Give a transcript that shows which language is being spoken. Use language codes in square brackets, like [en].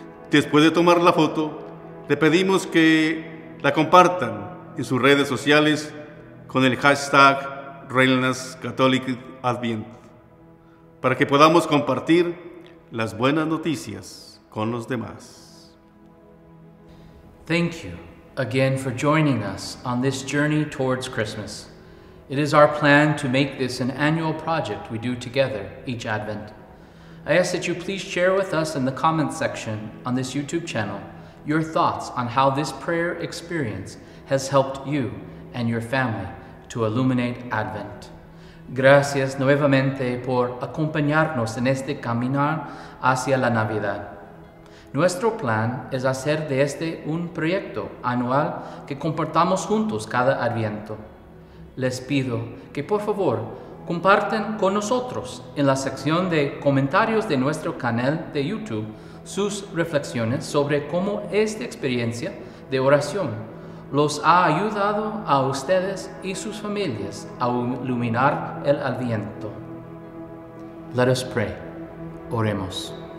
[es] Después de tomar la foto, le pedimos que la compartan en sus redes sociales con el hashtag RedlandsCatholicsAdvent para que podamos compartir las buenas noticias con los demás. [en] Thank you again for joining us on this journey towards Christmas. It is our plan to make this an annual project we do together each Advent. I ask that you please share with us in the comments section on this YouTube channel your thoughts on how this prayer experience has helped you and your family to illuminate Advent. [es] Gracias nuevamente por acompañarnos en este caminar hacia la Navidad. Nuestro plan es hacer de este un proyecto anual que compartamos juntos cada Adviento. Les pido que por favor compartan con nosotros en la sección de comentarios de nuestro canal de YouTube sus reflexiones sobre cómo esta experiencia de oración los ha ayudado a ustedes y sus familias a iluminar el Adviento. [en] Let us pray. [es] Oremos.